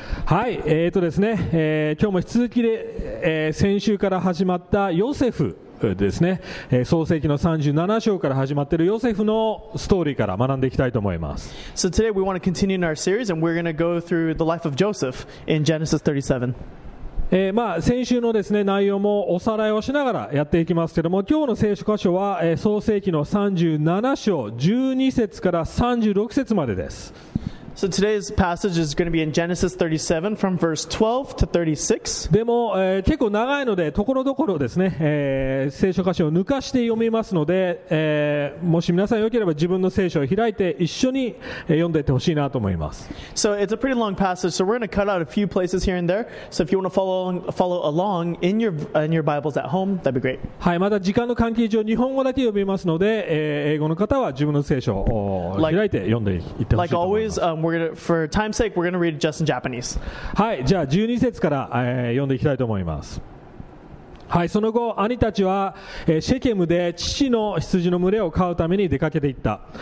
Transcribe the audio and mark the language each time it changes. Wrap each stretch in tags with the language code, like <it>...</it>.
<ja>はい、ですね、今日も引き続きで、先週から始まったヨセフですね、創世記の37章から始まっているヨセフのストーリーから学んでいきたいと思います。</ja> <en>So today we want to continue in our series and we're going to go through the life of Joseph in Genesis 37.</en> <ja>先週のですね、内容もおさらいをしながらやっていきますけども、今日の聖書箇所は、創世記の37章12節から36節までです。</ja> <en>So today's passage is going to be in Genesis 37 from verse 12 to 36.</en> <ja>でも、結構長いので、ところどころですね、聖書箇所を抜かして読みますので、もし皆さんよければ自分の聖書を開いて一緒に読んでいってほしいなと思います。</ja> <en>So it's a pretty long passage, so we're going to cut out a few places here and there. So if you want to follow along in your Bibles at home, that'd be great.</en> <ja>はい、また時間の関係上日本語だけ読みますので、英語の方は自分の聖書を開いて読んでいってほしいと思います。</ja> <en>For time's sake, we're going to read it just in Japanese.</en> <ja>はい、じゃあ12節から、読んでいきたいと思います。はい、その後兄たちは、シェケムで父の羊の群れを飼うために出かけていった。</ja>